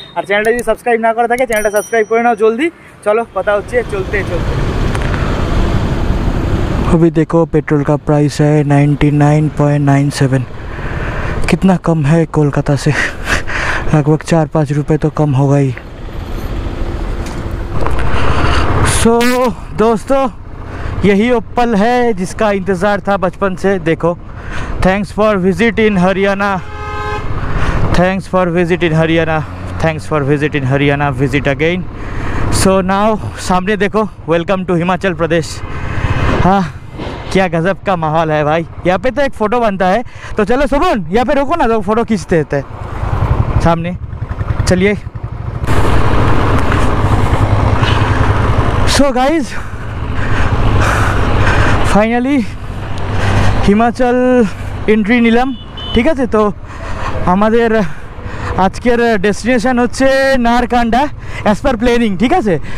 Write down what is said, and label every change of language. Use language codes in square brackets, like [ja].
[bn] আর চ্যানেলটা যদি সাবস্ক্রাইব না করা থাকে, চ্যানেলটা সাবস্ক্রাইব করে নাও জলদি। চলো, কথা হচ্ছে, চলতে চলতে। [hi] অভি দেখো, পেট্রোল কা প্রাইস হ্যায় 99.97, কিতনা কম হ্যায় কলকাতা সে, লগভগ 4-5 রুপে তো কম হোগা হি। সো দোস্তো, यही वो पल है जिसका इंतज़ार था बचपन से। देखो, [en] Thanks for visit in Haryana, thanks for visit in Haryana, thanks for visit in Haryana, visit again. [hi] So now सामने देखो, [en] Welcome to Himachal Pradesh. [hi] हाँ, क्या गजब का माहौल है भाई। यहाँ पे तो एक फ़ोटो बनता है, तो चलो सुमन, यहाँ पे रुको ना, तो फ़ोटो खींचते रहते सामने। चलिए। [en] so guys, [bn] finally Himachal entry নিলাম, ঠিক আছে? তো আমাদের আজকের ডেস্টিনেশান হচ্ছে নারকান্ডা, [en] as per planning, [bn] ঠিক আছে?